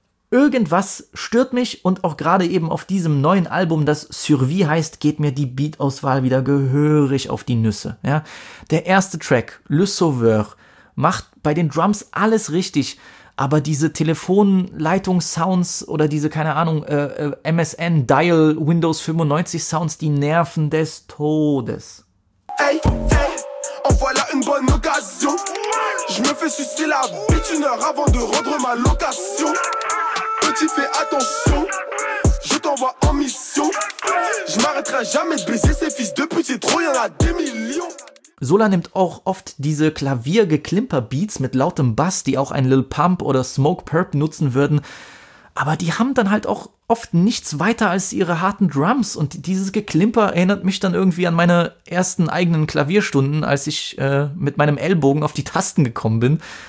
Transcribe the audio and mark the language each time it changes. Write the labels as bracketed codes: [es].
[de] Irgendwas stört mich, und auch gerade eben auf diesem neuen Album, das Survie heißt, geht mir die Beat-Auswahl wieder gehörig auf die Nüsse. Ja? Der erste Track, Le Sauveur, macht bei den Drums alles richtig. Aber diese Telefonleitungssounds oder diese, keine Ahnung, MSN Dial Windows 95 Sounds, die nerven des Todes. [fr] Hey, hey, en voilà une bonne occasion. Je me fais sucer la bitch une heure avant de rendre ma location. Petit, fais attention, je t'envoie en mission. Je m'arrêterai jamais de baiser ces fils de pute, c'est trop, y'en a des millions. [de] Zola nimmt auch oft diese Klaviergeklimper-Beats mit lautem Bass, die auch ein Lil Pump oder Smoke Perp nutzen würden, aber die haben dann halt auch oft nichts weiter als ihre harten Drums, und dieses Geklimper erinnert mich dann irgendwie an meine ersten eigenen Klavierstunden, als ich mit meinem Ellbogen auf die Tasten gekommen bin.